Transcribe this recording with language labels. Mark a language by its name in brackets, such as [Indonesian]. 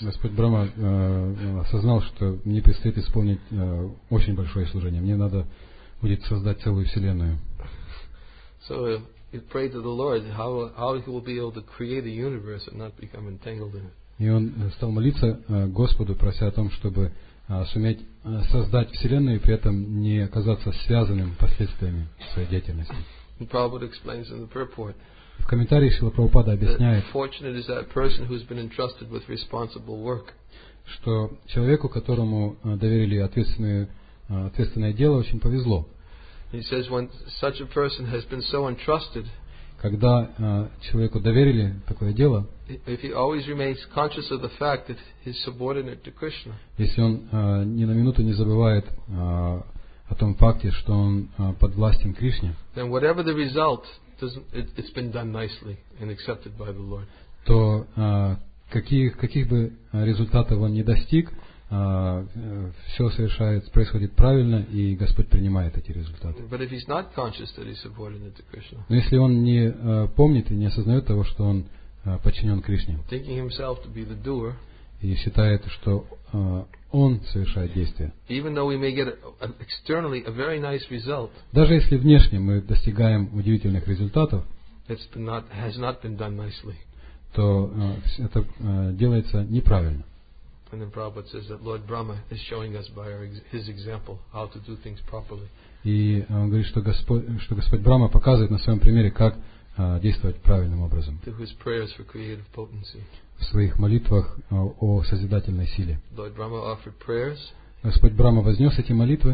[Russian] Господь Брама осознал, что мне предстоит исполнить очень большое служение. Мне надо будет создать целую вселенную. [English] So he prayed to the Lord how he will be able to create a universe and not become entangled in it. [Russian] И он стал молиться Господу, прося о том, чтобы суметь создать вселенную и при этом не оказаться связанным последствиями своей деятельности. [English] Prabhupada explains in the purport. [Russian] В комментарии Шрила Прабхупада объясняет, [English] fortunate is that person who's been entrusted with responsible work. [Russian] Что человеку, которому доверили ответственное дело, очень повезло. [English] He says when such a person has been so entrusted, [Russian] когда человеку доверили такое дело, [English] if he always remains conscious of the fact that he's subordinate to Krishna, [Russian] если он ни на минуту не забывает о том факте, что он под властью Кришны, [English] then whatever the result, it's been done nicely and accepted by the Lord. [Russian] То каких бы результатов он ни достиг, все совершается, происходит правильно, и Господь принимает эти результаты. [English] But if he's not conscious that he's subordinate to Krishna, [Russian] но если он не помнит и не осознает того, что он подчинен Кришне, [English] thinking himself to be the doer, [Russian] и считает, что он совершает действия, [English] even though we may get externally a very nice result, [Russian] даже если внешне мы достигаем удивительных результатов, [English] has not been done nicely, [Russian] то это делается неправильно. [English] And then Prabhupada says that Lord Brahma is showing us by his example how to do things properly. [Russian] И он говорит, что Господь Брама показывает на своем примере, как действовать правильным образом. [English] Through his prayers for creative potency. [Russian] В своих молитвах о созидательной силе. [English] Lord Brahma offered prayers. [Russian] Господь Брама вознес эти молитвы.